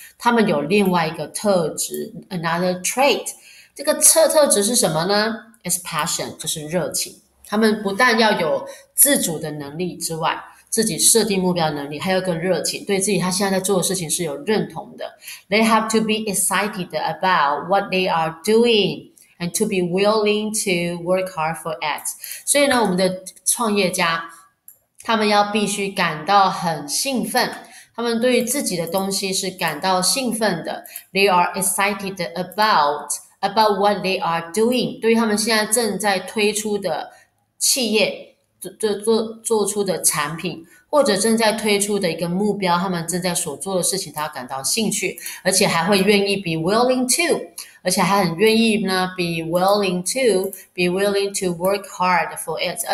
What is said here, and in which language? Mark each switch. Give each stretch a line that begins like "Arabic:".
Chinese: 他们有另外一个特质，
English: another trait。
Chinese: 这个特质是什么呢？
English: is passion，
Chinese: 就是热情。他们不但要有自主的能力之外，自己设定目标能力，还有个热情，对自己他现在在做的事情是有认同的。
English: They have to be excited about what they are doing and to be willing to work hard for it。
Chinese: 所以呢，我们的创业家，他们要必须感到很兴奋。他们对于自己的东西是感到兴奋的，
English: They are excited about what they are doing。
Chinese: 对于他们现在正在推出的企业，做出的产品，或者正在推出的一个目标，他们正在所做的事情，他感到兴趣，而且还会愿意
English: be willing to，
Chinese: 而且还很愿意呢
English: be willing to work hard for it。